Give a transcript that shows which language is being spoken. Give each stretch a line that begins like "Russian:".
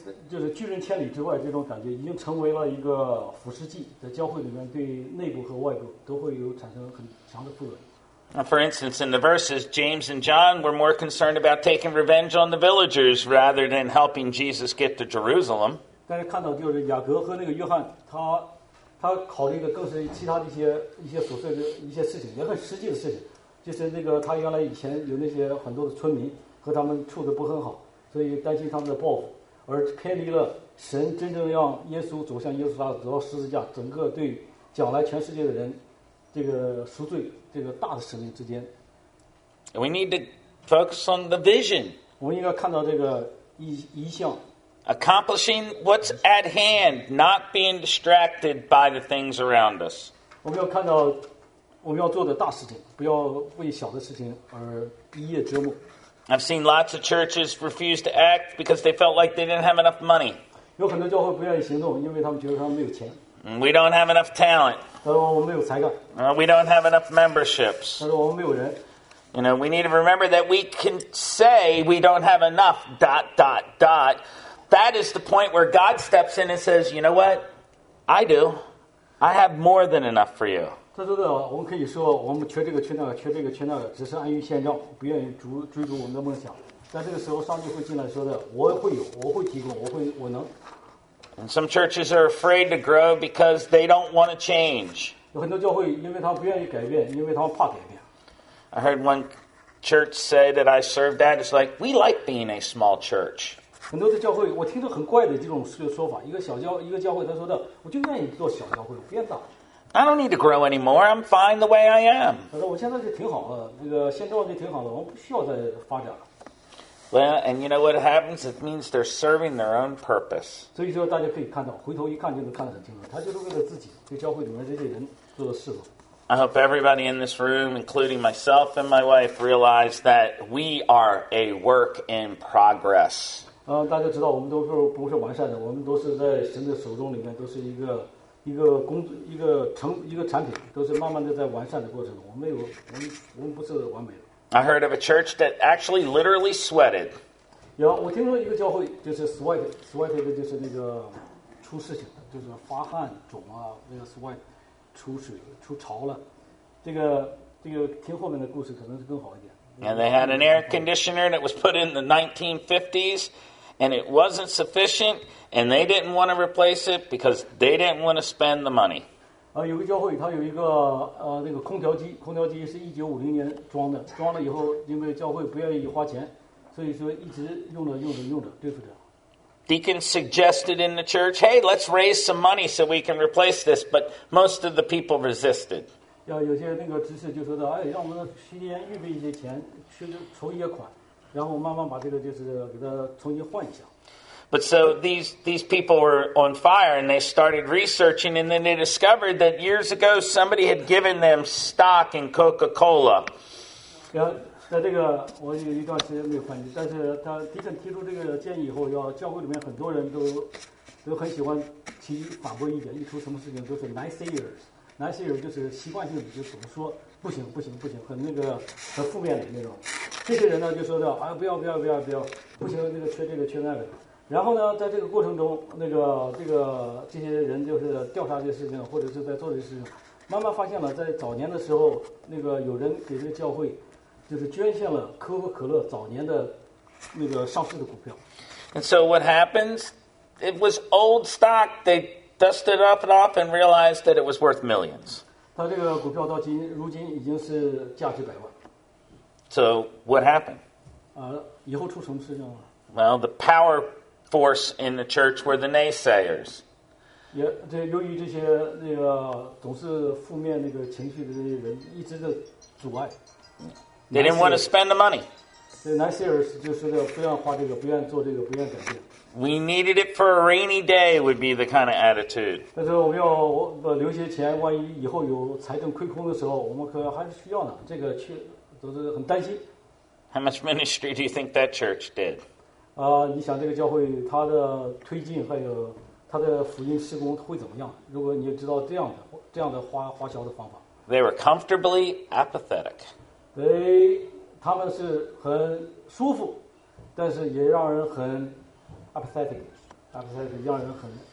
Chinese: 就是拒人千里之外，这种感觉已经成为了一个腐蚀剂，在教会里面对内部和外部都会有产生很强的负荷。
English: For instance, in the verses, James and John were more concerned about taking revenge on the villagers rather than helping Jesus get to Jerusalem.
Chinese: 但是看到就是雅各和那个约翰，他考虑的更是其他的一些琐碎的一些事情，也很实际的事情，就是那个他原来以前有那些很多的村民和他们处得不很好，所以担心他们的报复，而偏离了神真正让耶稣走向耶稣大走到十字架，整个对将来全世界的人这个赎罪这个大的使命之间。
English: We need to focus on the vision.
Chinese: 我们应该看到这个一项。
English: Accomplishing what's at hand, not being distracted by the things around us.
Chinese: 我们要看到我们要做的大事情，不要为小的事情而一夜折磨。
English: I've seen lots of churches refuse to act because they felt like they didn't have enough money.
Chinese: 有很多教会不愿意行动，因为他们觉得他们没有钱。
English: We don't have enough talent.
Chinese: 他说我们没有才干。
English: We don't have enough memberships.
Chinese: 他说我们没有人。
English: You know, we need to remember that we can say we don't have enough. Dot dot dot. That is the point where God steps in and says, "You know what? I do. I have more than enough for you."
Chinese: 他说的，我们可以说我们缺这个缺那个，缺这个缺那个，只是安于现状，不愿意追逐我们的梦想。但这个时候，上帝会进来说的，我会有，我会提供，我能。
English: And some churches are afraid to grow because they don't want to change.
Chinese: 有很多教会，因为他们不愿意改变，因为他们怕改变。
English: I heard one church say that I served at. It's like we like being a small church.
Chinese: 很多的教会，我听着很怪的这种说法。一个教会，他说的，我就愿意做小教会，我不愿大。
English: I don't need to grow anymore. I'm fine the way I am.
Chinese: 他说我现在就挺好了，这个现状就挺好了，我不需要再发展了。
English: Well, and you know what happens? It means they're serving their own purpose.
Chinese: 所以说大家可以看到，回头一看就能看得很清楚，他就是为了自己，为教会里面这些人做的事了。
English: I hope everybody in this room, including myself and my wife, realize that we are a work in progress.
Chinese: 大家知道我们都是不是完善的，我们都是在神的手中里面，都是一个产品，都是慢慢的在完善的过程。我们不是完美的。
English: I heard of a church that actually literally sweated.
Chinese: 有，我听说一个教会就是
English: sweated
Chinese: 就是那个出事情，就是发汗肿啊，那个
English: sweat
Chinese: 出水出潮了。这个听后面的故事可能是更好一点。
English: And they had an air conditioner that was put in the 1950s, and it wasn't sufficient, and they didn't want to replace it because they didn't want to spend the money.
Chinese: 有个教会，它有一个那个空调机是1950年装的，装了以后，因为教会不愿意花钱，所以说一直用着，对付着。
English: Deacon suggested in the church, "Hey, let's raise some money so we can replace this." But most of the people resisted.
Chinese: 有些那个执事就说的，哎，让我们提前预备一些钱，去筹一些款，然后慢慢把这个就是给它重新换一下。
English: But so these people were on fire, and they started researching, and then they discovered that years ago somebody had given them stock in Coca-Cola.
Chinese: 在这个我有一段时间没有换机，但是他迪肯提出这个建议以后，要教会里面很多人都很喜欢提反驳意见，一出什么事情都是
English: naysayers
Chinese: 就是习惯性的，就怎么说不行不行不行，很那个很负面的那种。这些人呢就说的，哎，不要不要不要不要，不行，那个缺这个缺那个。然后呢，在这个过程中，那个这些人就是调查这些事情，或者是在做这些事情，慢慢发现了，在早年的时候，那个有人给这个教会。就是捐献了可口可乐早年的那个上市的股票。
English: And so what happens? It was old stock. They dusted up and off and realized that it was worth millions.
Chinese: 他这个股票到今如今已经是价值百万。
English: So what happened?
Chinese: 以后出什么事情了？
English: Well, the power force in the church were the naysayers.
Chinese: 也这由于这些那个总是负面那个情绪的这些人一直的阻碍。
English: They didn't want to spend the money.
Chinese: 这
English: naysayers
Chinese: 就是要不愿花这个，不愿做这个，不愿改变。
English: We needed it for a rainy day would be the kind of attitude.
Chinese: 但是我们要留些钱，万一以后有财政亏空的时候，我们可还是需要呢。这个去都是很担心。
English: How much ministry do you think that church did?
Chinese: 啊，你想这个教会它的推进还有。他的福音施工会怎么样？如果你知道这样的花销的方法
English: ，They were comfortably apathetic.
Chinese: 他们是很舒服，但是也让人很
English: apathetic
Chinese: 让人很。